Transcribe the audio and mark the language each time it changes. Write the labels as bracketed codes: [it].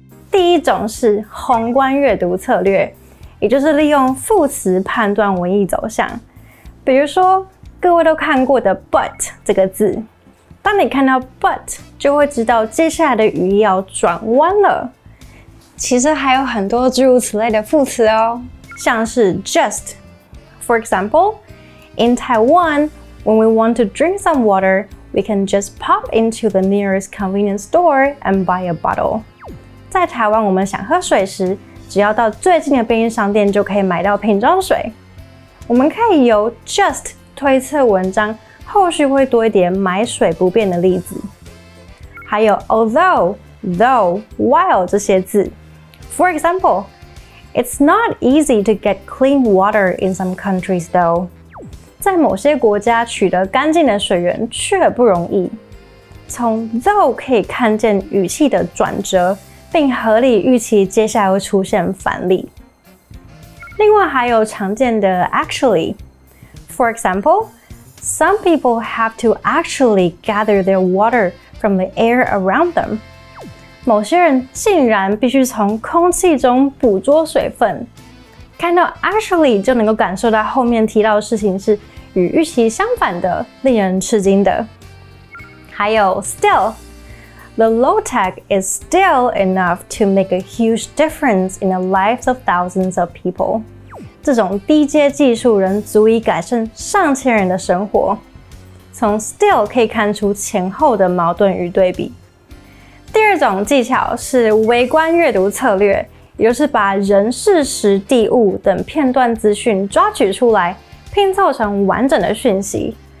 [zh] 第一种是宏观阅读策略，也就是利用副词判断文意走向。比如说各位都看过的 but 这个字，当你看到 but 就会知道接下来的语义要转弯了。其实还有很多诸如此类的副词哦，像是 just。 [en] For example, in Taiwan, when we want to drink some water, we can just pop into the nearest convenience store and buy a bottle. [zh] 在台湾，我们想喝水时，只要到最近的便利商店就可以买到瓶装水。我们可以由 just 推测文章后续会多一点买水不便的例子。还有 although, though, while 这些字。 [en] For example,It's not easy to get clean water in some countries, though. [zh] 在某些国家取得干净的水源却不容易。从 though 可以看见语气的转折，并合理预期接下来会出现反例。另外还有常见的 actually. [en] For example, some people have to actually gather their water from the air around them. [zh] 某些人竟然必须从空气中捕捉水分，看到 actually 就能够感受到后面提到的事情是与预期相反的，令人吃惊的。还有 [en] still, the low tech is still enough to make a huge difference in the lives of thousands of people. [zh] 这种低阶技术仍足以改善上千人的生活。从 still 可以看出前后的矛盾与对比。第二种技巧是微观阅读策略，也就是把人、事、时、地、物等片段资讯抓取出来，拼凑成完整的讯息。